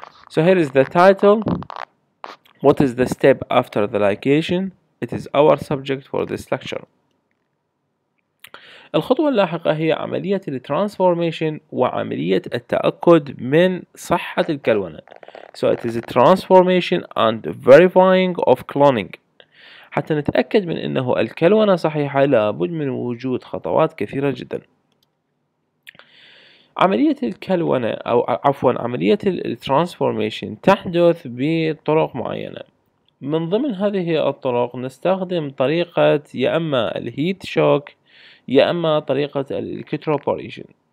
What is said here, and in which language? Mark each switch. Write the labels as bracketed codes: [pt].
[en] So here is the title. What is the step after the ligation? It is our subject for this lecture. [ar] الخطوة اللاحقة هي عملية الترانسفورميشن وعملية التأكد من صحة الكلونة. [en] So it is a transformation and verifying of cloning. [ar] حتى نتأكد من أنه الكلونة صحيحة لابد من وجود خطوات كثيرة جدا. عملية الكلونة أو عفوا عملية الترانسفورميشن تحدث بطرق معينة. من ضمن هذه الطرق نستخدم طريقة يا أما الهيت شوك يا أما طريقة الالكتروبوريشن.